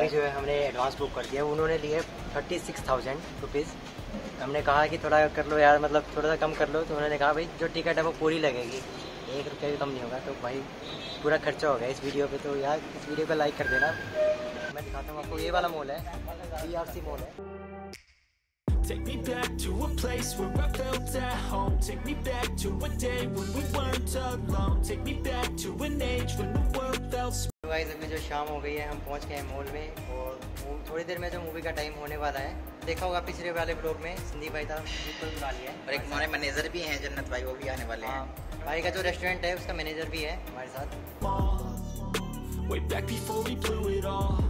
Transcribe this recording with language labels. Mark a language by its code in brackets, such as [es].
[hi] है। जो है हमने एडवांस बुक कर दिया, उन्होंने लिए 36,000 रुपीज। हमने कहा कि थोड़ा कर लो यार, मतलब थोड़ा सा कम कर लो, तो उन्होंने कहा भाई जो टिकट है वो पूरी लगेगी, 1 रुपया भी कम नहीं होगा। तो भाई पूरा खर्चा होगा इस वीडियो पे, तो यार इस वीडियो को लाइक कर देना। मैं दिखाता हूँ आपको, ये वाला मॉल है, वीआरसी मॉल है। [en] Take me back to a place where I felt at home. Take me back to a day when we weren't alone. Take me back to an age when the world felt small. [hi] तो guys, अभी जो शाम हो गई है, हम पहुंच गए हैं मॉल में, और थोड़ी देर में जो मूवी का टाइम होने वाला है, देखा होगा पिछले वाले ब्लॉग में संदीप भाई था, बिल्कुल बुला लिया है, और एक हमारे मैनेजर भी हैं जन्नत भाई, वो भी आने वाले हैं। भाई का जो रेस्टोरेंट है उसका मैनेजर भी है हमारे साथ। [en] Way back before we blew it all.